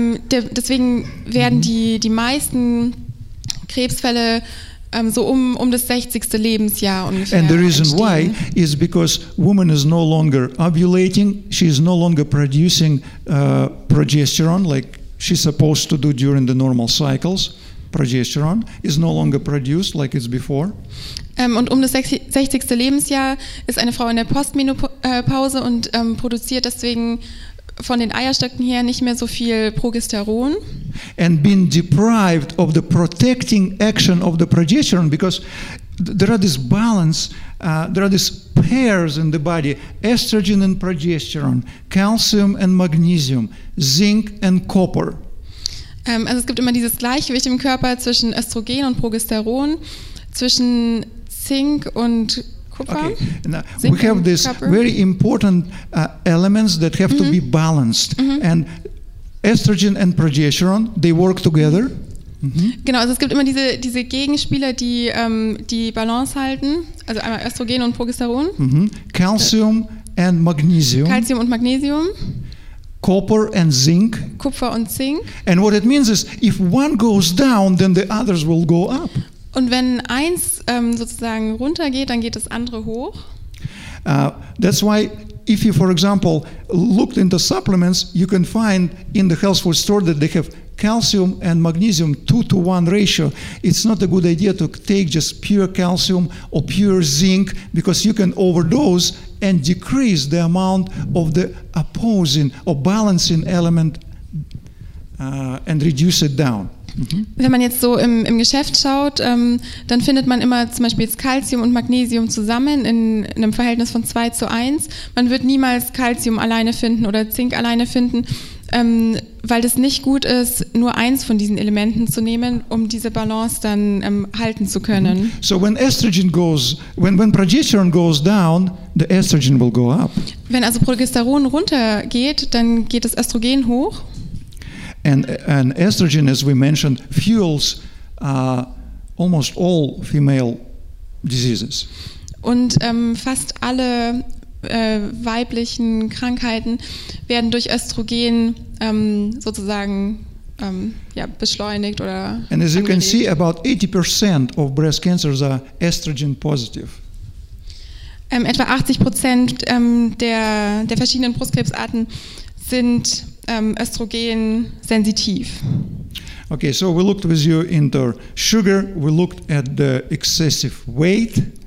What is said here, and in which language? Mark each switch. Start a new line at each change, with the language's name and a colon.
German: Deswegen werden die meisten Krebsfälle so um das 60. Lebensjahr ungefähr.
English: And the reason
German: entstehen.
English: Why is because woman is no longer ovulating, she is no longer producing progesterone, like she's supposed to do during the normal cycles. Progesterone is no longer produced like it's before.
German: Und um das 60. Lebensjahr ist eine Frau in der Postmenopause und produziert deswegen von den Eierstöcken her nicht mehr so viel Progesteron.
English: And been deprived of the protecting action of the progesterone, because there are this balance, there are this hairs in the body, estrogen and progesterone, calcium and magnesium, zinc and copper.
German: Also es gibt immer dieses Gleichgewicht im Körper zwischen Östrogen und Progesteron, zwischen Zink und
English: Okay. Now, we have these very important elements that have to be balanced. Mm-hmm. And estrogen and progesterone, they work together. Mm-hmm.
German: Genau, also es gibt immer diese Gegenspieler, die die Balance halten. Also einmal Östrogen und Progesteron.
English: Mm-hmm. Calcium and magnesium.
German: Calcium und Magnesium.
English: Copper and zinc.
German: Kupfer und Zink.
English: And what it means is, if one goes down, then the others will go up.
German: Und wenn eins sozusagen runtergeht, dann geht das andere hoch.
English: That's why if you, for example, looked into supplements, you can find in the health food store that they have calcium and magnesium 2-to-1 ratio. It's not a good idea to take just pure calcium or pure zinc because you can overdose and decrease the amount of the opposing or balancing element and reduce it down.
German: Wenn man jetzt so im Geschäft schaut, dann findet man immer zum Beispiel jetzt Calcium und Magnesium zusammen in einem Verhältnis von 2-1. Man wird niemals Calcium alleine finden oder Zink alleine finden, weil es nicht gut ist, nur eins von diesen Elementen zu nehmen, um diese Balance dann halten zu können.
English: So when estrogen goes, when progesterone goes down, the estrogen will go up.
German: Wenn also Progesteron runtergeht, dann geht das Östrogen hoch.
English: And estrogen, as we mentioned, fuels almost all female diseases.
German: Und fast alle weiblichen Krankheiten werden durch Östrogen sozusagen beschleunigt oder angeregt.
English: And as you can see, about 80% of breast cancers are estrogen positive.
German: Etwa 80% der verschiedenen Brustkrebsarten sind östrogen-sensitiv.
English: Okay, so we looked with you into sugar, we looked at the excessive weight.